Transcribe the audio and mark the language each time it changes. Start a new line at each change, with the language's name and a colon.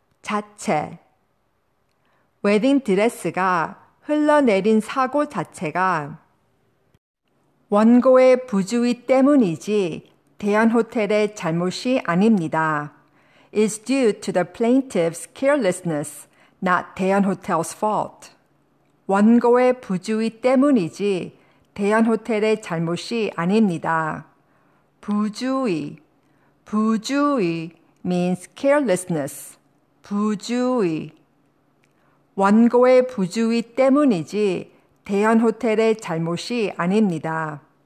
Korean: 자체 웨딩 드레스가 흘러내린 사고 자체가 원고의 부주의 때문이지 대현 호텔의 잘못이 아닙니다.
English: It's due to the plaintiff's carelessness, not 대현 호텔's fault.
Korean: 원고의 부주의 때문이지 대현 호텔의 잘못이 아닙니다.
English: 부주의. 부주의 means carelessness.
Korean: 부주의. 원고의 부주의 때문이지 대현 호텔의 잘못이 아닙니다.